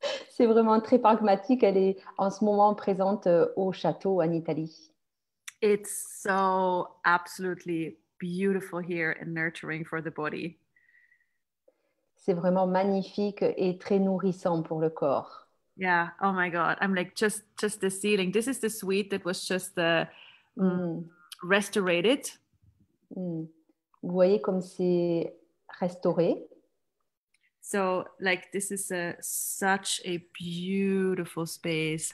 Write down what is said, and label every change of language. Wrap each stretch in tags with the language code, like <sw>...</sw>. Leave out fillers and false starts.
<fr>C'est vraiment très pragmatique, elle est en ce moment présente au château en Italie.</fr> <en>It's so absolutely beautiful here and nurturing for the body.</en> <fr>C'est vraiment magnifique et très nourrissant pour le corps.</fr> <en>Yeah, oh my God. I'm like just the ceiling. This is the suite that was just the restored.</en> <fr>Vous voyez comme c'est restauré.</fr> <en>So, like, this is a such a beautiful space.</en>